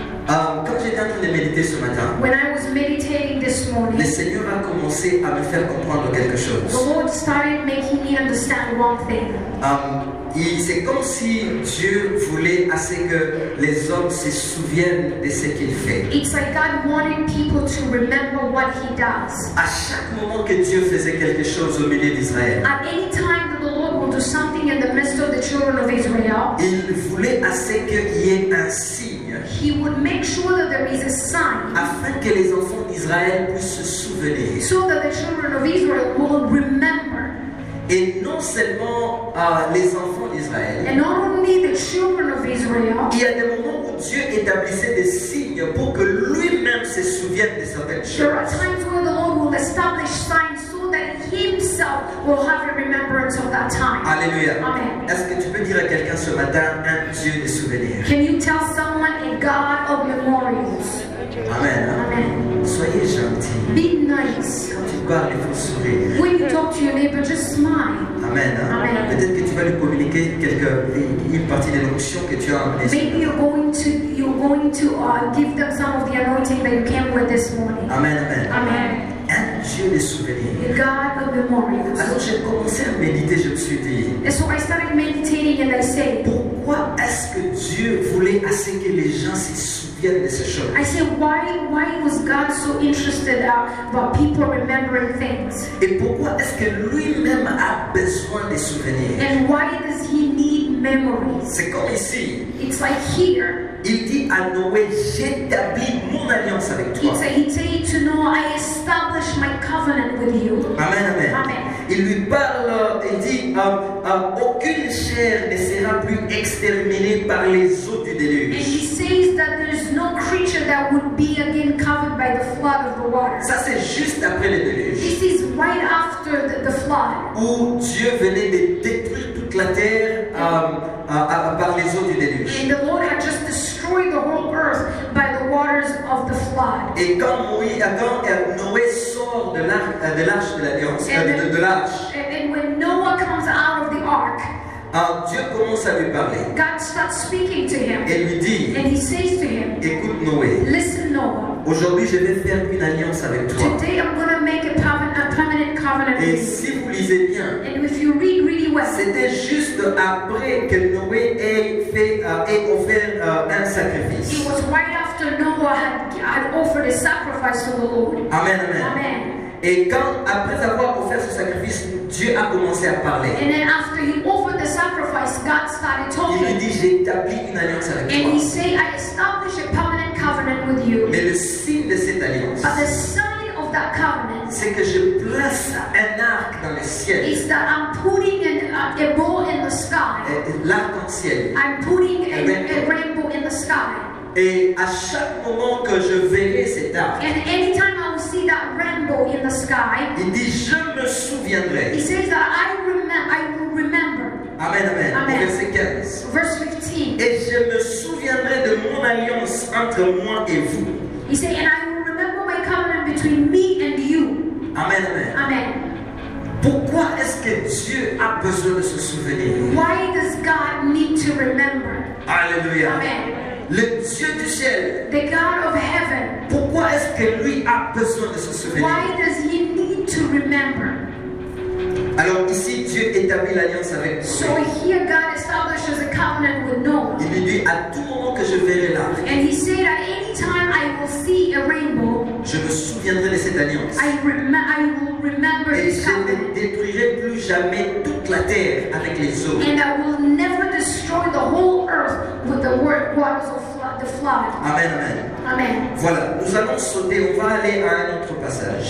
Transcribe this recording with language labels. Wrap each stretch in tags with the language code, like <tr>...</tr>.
<fr>Quand j'étais en train de méditer ce matin,</fr> <en>when I was meditating this morning,</en> <fr>le Seigneur a commencé à me faire comprendre quelque chose.</fr> <en>The Lord started making me understand one thing.</en> <fr>C'est comme si Dieu voulait assez que les hommes se souviennent de ce qu'il fait.</fr> <en>It's like God wanted people to remember what he does.</en> <fr>À chaque moment que Dieu faisait quelque chose au milieu d'Israël,</fr> <en>at any time the Lord will do something in the midst of the children of Israel,</en> <fr>il voulait assez qu'il y ait un signe.</fr> <en>He would make sure that there is a sign,</en> <fr>afin que les enfants d'Israël puissent se souvenir,</fr> <en>so that the children of Israel will remember.</en> <fr>Et non seulement les enfants d'Israël,</fr> <en>and not only the children of Israel.</en> <fr>Il y a des moments où Dieu établissait des signes pour que lui-même se souvienne de certaines choses.</fr> <en>There are times where the Lord will establish signs so that himself will have a remembrance of that time. Alléluia. Amen.</en> <fr>Est-ce que tu peux dire à quelqu'un ce matin un Dieu des souvenirs?</fr> <en>Can you tell someone a God of memorials? Amen. Amen.</en> <fr>Soyez gentil.</fr> <en>Be nice.</en> <fr>Tu gardes ton sourire.</fr> <en>When you talk to your neighbor, just smile. Amen. Amen.</en> <fr>Peut-être que tu vas lui communiquer une partie de l'onction que tu as amenée.</fr> <en>Maybe you're going to give them some of the anointing that you came with this morning. Amen. Amen. Amen.</en> <fr>Un Dieu des souvenirs.</fr> <en>The God of memories.</en> <fr>Alors j'ai commencé à méditer, je me suis dit.</fr> <en>And so I started meditating and I said,</en> <fr>pourquoi est-ce que Dieu voulait assez que les gens s'y souviennent de ces choses?</fr> <en>I said, why was God so interested about people remembering things?</en> <fr>Et pourquoi est-ce que lui-même a besoin des souvenirs?</fr> <en>And why does he need memories?</en> <fr>C'est comme ici.</fr> <en>It's like here.</en> <fr>Il dit à Noé, j'établis mon alliance avec toi.</fr> <en>He said to Noah, I establish my covenant with you. Amen, amen. Amen.</en> <fr>Il lui parle et dit, aucune chair ne sera plus exterminée par les eaux du déluge.</fr> <en>And he says that there is no creature that would be again covered by the flood of the water.</en> <fr>Ça c'est juste après le déluge.</fr> <en>This is right after the flood.</en> <fr>Où Dieu venait de détruire toute la terre. Par les eaux du déluge.</fr> <en>And the Lord had just destroyed the whole earth by the waters of the flood.</en> <fr>Et quand Noé sort de l'arche de l'alliance,</fr> <en>and when Noah comes out of the ark,</en> <fr>Dieu commence à lui parler.</fr> <en>God starts speaking to him.</en> <fr>Et lui dit,</fr> <en>and he says to him,</en> <fr>écoute Noé,</fr> <en>listen Noah,</en> <fr>aujourd'hui je vais faire une alliance avec toi.</fr> <en>Today I'm going to make a permanent covenant with you.</en> <fr>Et si vous lisez bien, c'était juste après que Noé ait offert un sacrifice.</fr> <en>It was right after Noah had offered a sacrifice to the Lord. Amen, amen. Amen.</en> <fr>Et quand, après avoir offert ce sacrifice, Dieu a commencé à parler.</fr> <en>And then after he offered the sacrifice, God started talking.</en> <fr>Il lui dit, j'ai établi une alliance avec toi.</fr> <en>And he said, I establish a permanent covenant with you.</en> <fr>Mais le signe de cette alliance,</fr> <en>but the sign of that covenant,</en> <fr>c'est que je place un arc dans le ciel.</fr> <en>Is that I'm putting a ball in the sky.</en> <fr>L'arc-en-ciel.</fr> <en>I'm putting a rainbow in the sky.</en> <fr>Et à chaque moment que je verrai cet arc,</fr> <en>and anytime I will see that rainbow in the sky,</en> <fr>il dit, je me souviendrai.</fr> <en>He says that I will remember. Amen, amen. Amen.</en> <fr>Verset 15.</fr> <en>Verse 15.</en> <fr>Et je me souviendrai de mon alliance entre moi et vous.</fr> <en>He says, and I will remember my covenant between me and you. Amen, amen. Amen.</en> <fr>Pourquoi est-ce que Dieu a besoin de se souvenir?</fr> <en>Why does God need to remember? Alléluia. Amen.</en> <fr>Le Dieu du ciel.</fr> <en>The God of heaven.</en> <fr>Pourquoi est-ce que lui a besoin de se souvenir?</fr> <en>Why does he need to remember?</en> <fr>Alors ici, Dieu établit l'alliance avec Noé.</fr> <en>So here God establishes a covenant with Noah.</en> <fr>Il lui dit, à tout moment que je verrai l'arc.</fr> <en>And he said, at any time I will see a rainbow.</en> <fr>Je me souviendrai de cette alliance.</fr> <en>I will remember this covenant.</en> <fr>Et je ne détruirai plus jamais toute la terre avec les eaux.</fr> <en>And I will never destroy the whole earth with the waters of the flood. Amen, amen. Amen.</en> <fr>Voilà, nous allons sauter, on va aller à un autre passage.</fr>